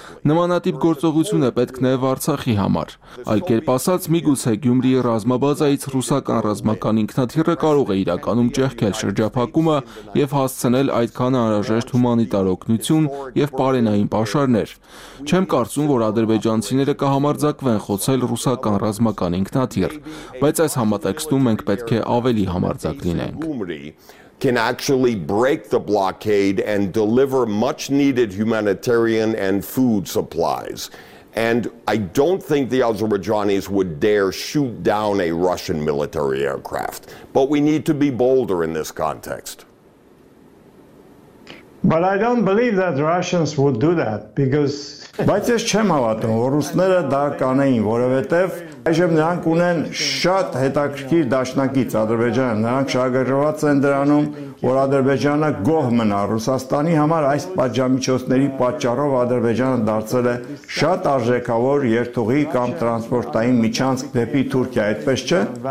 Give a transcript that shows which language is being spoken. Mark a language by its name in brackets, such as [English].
[Armenian] Նմանատիպ գործողություն է պետք նաև Արցախի համար։ Այլ կերպ ասած, միգուցե Գյումրիի ռազմաբազայից ռուսական ռազմական ինքնաթիռը կարող է իրականում ճեղքել շրջափակումը եւ հասցնել այդքան անհրաժեշտ հումանիտար օգնություն եւ պարենային պաշարներ։ Չեմ կարծում, որ ադրբեջանցիները կհամարձակվեն խոցել ռուսական ռազմական ինքնաթիռ, բայց այս համատեքստում մենք պետք է ավելի համարձակ լինենք։ [English] Can actually break the blockade and deliver much needed humanitarian and food supplies. And I don't think the Azerbaijanis would dare shoot down a Russian military aircraft. But we need to be bolder in this context. But I don't believe that Russians would do that because [Armenian] Բայց ես չեմ հավատում, որ ռուսները դա կանեին, որովհետև այժմ նրանք ունեն շատ հետաքրքիր դաշնակից Ադրբեջանը, նրանք շահագրգռված են դրանում, որ Ադրբեջանը գոհ մնա Ռուսաստանի համար այս պատժամիջոցների պատճառով Ադրբեջանը դարձել է շատ արժեքավոր երթուղի կամ տրանսպորտային միջանց դեպի Թուրքիա, այդպես չէ։